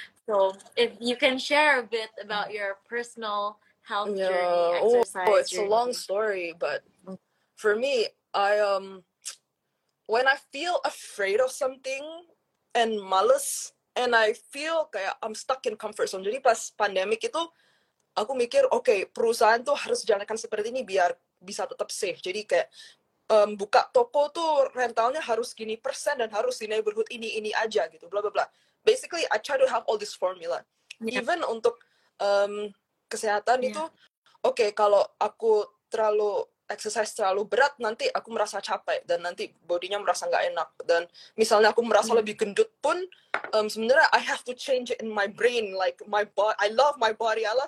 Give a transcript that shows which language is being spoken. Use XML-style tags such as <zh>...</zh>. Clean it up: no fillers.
<en>So if you can share a bit about your personal health journey, exercise journey. It's a long story, but for me, I when I feel afraid of something and malas, and I feel kayak I'm stuck in comfort zone.</en> <id>Jadi pas pandemic itu, aku mikir okay, perusahaan tuh harus jalankan seperti ini biar bisa tetap safe. Jadi kayak buka toko tuh rentalnya harus gini persen dan harus di neighborhood ini aja gitu. Blah blah blah.</id> <en>Basically, I try to have all this formula. Yeah.</en> <id>Even untuk kesehatan itu, okay, kalau aku terlalu exercise terlalu berat, nanti aku merasa capek dan nanti bodinya merasa nggak enak. Dan misalnya aku merasa lebih gendut pun, sebenarnya</id> <en>I have to change it in my brain, like my body. I love my body.</en>